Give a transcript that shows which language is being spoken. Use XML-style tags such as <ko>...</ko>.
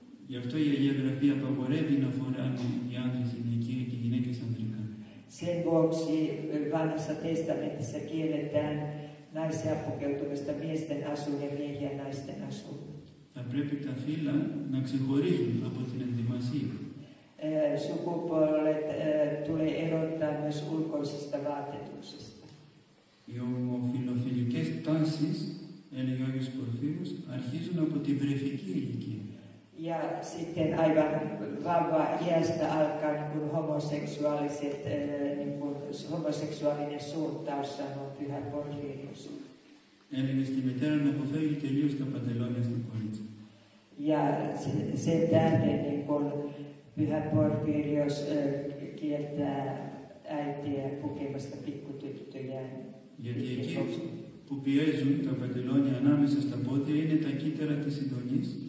<el>Γι' αυτό η Αγία Γραφή απαγορεύει να φοράνε οι άντρες γυναικείες και οι γυναίκες ανδρικά.</el> <fi>Sen vuoksi vanhassa testamentissa kielletään naisia pukeutumista miesten asuun ja miehiä naisten asuun.</fi> <el>Θα πρέπει τα φύλλα να ξεχωρίζουν από την ενδυμασία.</el> <fi>Sukupuolet tulee erottaa myös ulkoisista vaatetuksista.</fi> <el>Οι ομοφιλοφιλικές τάσεις, έλεγε ο Άγιος Πορφύριος, αρχίζουν από την βρεφική ηλικία.</el> <fi>Ja sitten aivan vauva iästä alkaa niin kuin homoseksuaaliset, niin kuin homoseksuaalinen suuntaus sanoo Pyhän Porfirius. Eli</fi> <el>στη μητέρα να αποφεύγει τελείως τα παντελόνια στην κορίτσα.</el> <fi>Ja sen tähden niin kuin Pyhän Porfirius kieltää äitiä pukemasta pikkutyttöjä.</fi> <el>Γιατί εκεί που πιέζουν τα παντελόνια ανάμεσα στα πόδια είναι τα κύτταρα της συντονής.</el>